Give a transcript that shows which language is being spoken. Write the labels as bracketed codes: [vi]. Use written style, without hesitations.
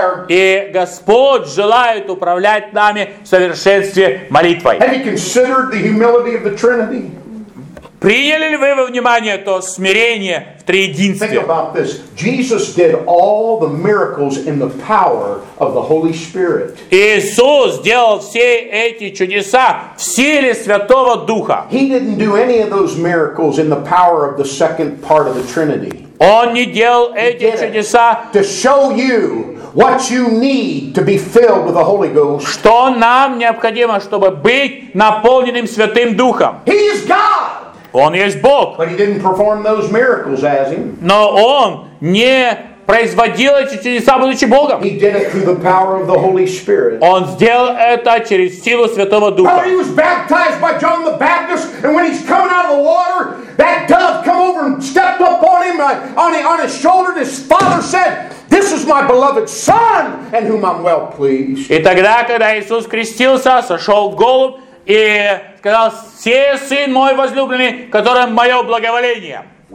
[ru] И Господь желает управлять нами в совершенстве молитвой. [en] Have you considered the humility of the Trinity? [ru] Приняли ли вы во внимание то смирение в триединстве? [en] Think about this. Jesus did all the miracles in the power of the Holy Spirit. [ru] Иисус сделал все эти чудеса в силе Святого Духа. [en] He didn't do any of those miracles in the power of the second part of the Trinity. [ru] Он не делал эти чудеса. [en] To show you what you need to be filled with the Holy Ghost. [ru] Что нам необходимо, чтобы быть наполненным Святым Духом? [en] He is God. [ru] Он есть Бог. [en] But he didn't perform those miracles as him. [ru] Но он не производил эти чудеса, будучи Богом. [en] He did it through the power of the Holy Spirit. [ru] Он сделал это через силу Святого Духа. [en] Brother, he was baptized by John the Baptist, and when he's coming out of the water, that dove come over and stepped up on him on his shoulder. His father said, "This is my beloved son, in whom I'm well pleased." [ru] И тогда, когда Иисус крестился, сошел голубь. И сказал, «Се сын мой возлюбленный, которым мое благоволение».